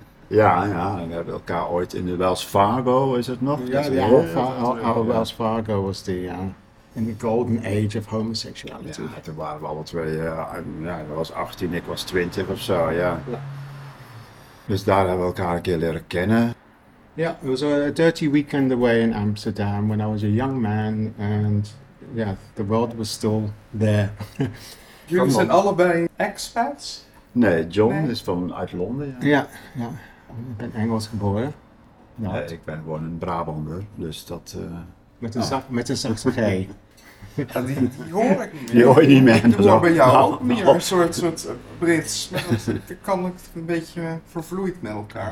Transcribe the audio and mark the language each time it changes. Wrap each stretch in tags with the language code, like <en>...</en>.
<nl>Ja, ja, we hebben elkaar ooit in de Wells Fargo, is het nog? Ja, de oude Wells Fargo was die, ja.</nl> <en>In the golden age of homosexuality.</en> <nl>Ja, toen waren we alle twee, dat was 18, ik was 20 of zo, ja. Dus daar hebben we elkaar een keer leren kennen.</nl> <en>Ja, it was a dirty weekend away in Amsterdam when I was a young man and the world was still there.</en> <nl>Jullie zijn allebei expats? Nee, John is uit Londen. Ja. Ja, ja, ik ben Engels geboren. Ja. Nee, ik ben gewoon een Brabander, dus dat... Met een zachte G. Ja, die hoor ik niet meer. Die hoor je niet meer. Ik hoor bij jou ook meer, een soort Brits. Dan kan het een beetje vervloeid met elkaar.</nl>